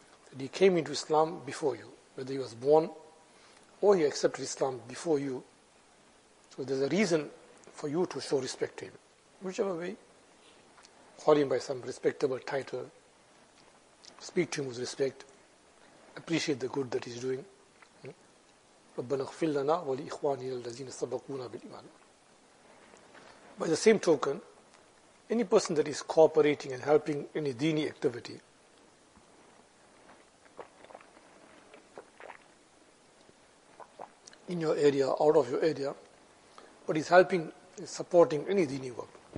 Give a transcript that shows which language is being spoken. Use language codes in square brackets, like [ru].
[en] That he came into Islam before you, whether he was born or he accepted Islam before you. So there's a reason for you to show respect to him. Whichever way, call him by some respectable title, speak to him with respect, appreciate the good that he's doing. [ar] رَبَّنَا اغْفِرْ لَنَا وَلِإِخْوَانِنَا الَّذِينَ سَبَقُونَا بِالْإِيمَانِ. [en] By the same token, any person that is cooperating and helping in a dini activity. In your area, out of your area, but is helping, is supporting any dini work.